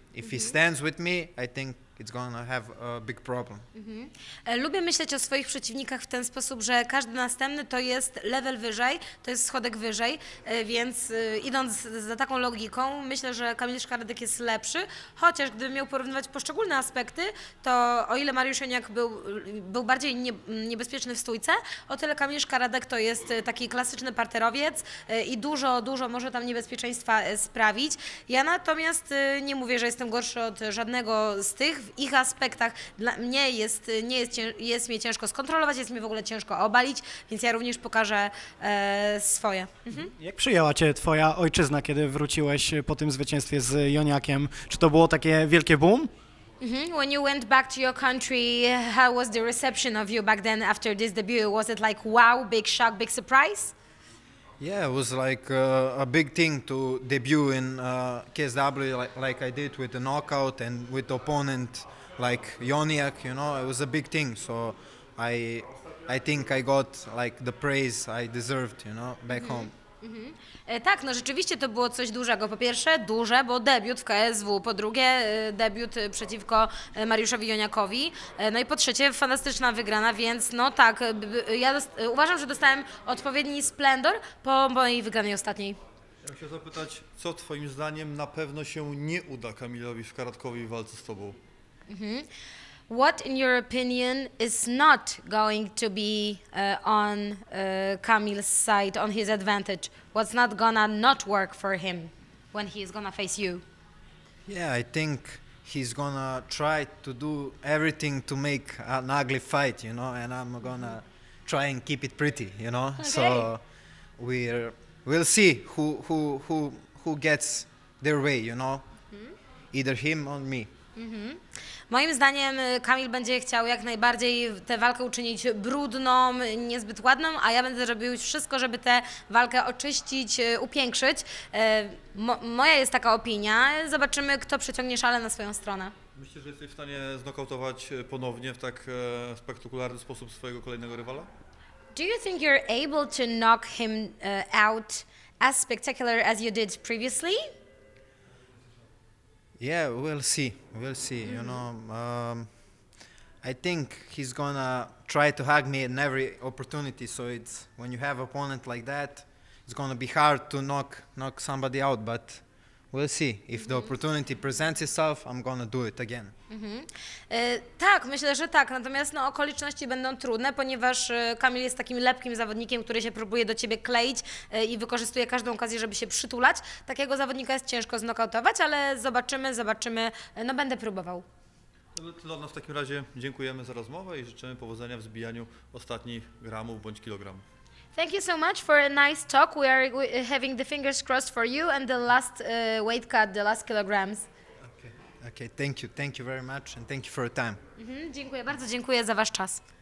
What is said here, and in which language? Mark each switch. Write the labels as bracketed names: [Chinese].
[English] If he stands with me, I think it's gonna have a big problem. [Polish] Lubię myśleć o swoich przeciwnikach w ten sposób, że każdy następny to jest level wyżej, to jest schodek wyżej, więc idąc za taką logiką, myślę, że Kamil Szkaradek jest lepszy, chociaż gdybym miał porównywać poszczególne aspekty, to o ile Mariusz Joniak był bardziej niebezpieczny w stójce, o tyle Kamil Szkaradek to jest taki klasyczny parterowiec i dużo, dużo może tam niebezpieczeństwa sprawić. Ja natomiast nie mówię, że jestem gorszy od żadnego z tych, w ich aspektach. Dla mnie jest mi ciężko skontrolować, jest mi w ogóle ciężko obalić, więc ja również pokażę swoje. Jak przyjęła Cię Twoja ojczyzna, kiedy wróciłeś po tym zwycięstwie z Joniakiem? Czy to było takie wielkie boom? Mm-hmm. [English] When you went back to your country, how was the reception of you back then after this debut? Was it like wow, big shock, big surprise? Yeah, it was like a big thing to debut in KSW like I did with the knockout and with the opponent like Joniak, you know, it was a big thing. So I think I got like the praise I deserved, you know, back home. [Polish] Tak, no rzeczywiście to było coś dużego. Po pierwsze duże, bo debiut w KSW, po drugie debiut przeciwko Mariuszowi Joniakowi, no i po trzecie fantastyczna wygrana, więc no tak, ja uważam, że dostałem odpowiedni splendor po mojej wygranej ostatniej. Ja chciałem zapytać, co Twoim zdaniem na pewno się nie uda Kamilowi Szkaradkowi w walce z Tobą? [English] What in your opinion is not going to be on Kamil's side, on his advantage? What's not gonna not work for him when he's gonna face you? Yeah, I think he's gonna try to do everything to make an ugly fight, you know, and I'm gonna try and keep it pretty, you know? Okay. So we'll see who gets their way, you know? Either him or me. [Polish] Moim zdaniem Kamil będzie chciał jak najbardziej tę walkę uczynić brudną, niezbyt ładną, a ja będę robił wszystko, żeby tę walkę oczyścić, upiększyć. Moja jest taka opinia. Zobaczymy, kto przeciągnie szalę na swoją stronę. Myślisz, że jesteś w stanie znokautować ponownie w tak spektakularny sposób swojego kolejnego rywala? [English] Do you think you're able to knock him out as spectacular as you did previously? Yeah, we'll see. We'll see. Mm-hmm. You know, I think he's gonna try to hug me in every opportunity. So it's when you have an opponent like that, it's gonna be hard to knock somebody out. But we'll see. If mm-hmm. the opportunity presents itself, I'm gonna do it again. Mm-hmm. [Polish] Tak, myślę, że tak. Natomiast no, okoliczności będą trudne, ponieważ Kamil jest takim lepkim zawodnikiem, który się próbuje do ciebie kleić i wykorzystuje każdą okazję, żeby się przytulać. Takiego zawodnika jest ciężko znokautować, ale zobaczymy. No będę próbował. No, w takim razie dziękujemy za rozmowę i życzymy powodzenia w zbijaniu ostatnich gramów bądź kilogramów. [English] Thank you so much for a nice talk. We are having the fingers crossed for you and the last weight cut, the last kilograms. Okay, thank you very much and thank you for your time. [Polish] Mm-hmm. Dziękuję bardzo, dziękuję za wasz czas.